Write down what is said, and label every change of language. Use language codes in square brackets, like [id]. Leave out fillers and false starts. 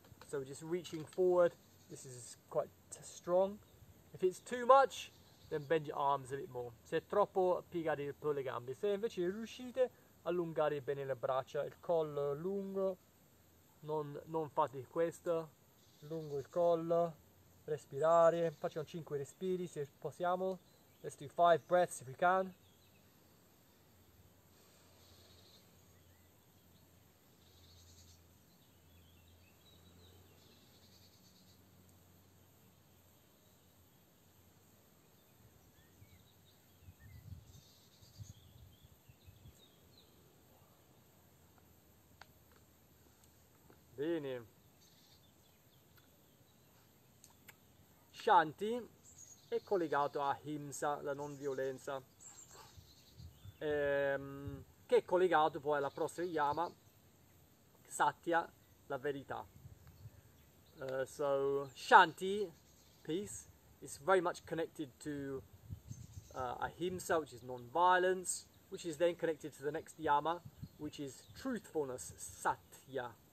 [en] So just reaching forward, this is quite strong. If it's too much, then bend your arms a bit more. [it] Se è troppo, piegate un po' le gambe. Se invece riuscite, allungare bene le braccia, il collo lungo. Non fate questo, lungo il collo, respirare, facciamo 5 respiri se possiamo. [en] Let's do 5 breaths if we can. [it] Bene. Shanti è collegato a Ahimsa, la non violenza, che è collegato poi alla prossima yama, Satya, la verità. [en] So Shanti, peace, is very much connected to Ahimsa, which is non-violence, which is then connected to the next yama, which is truthfulness, Satya.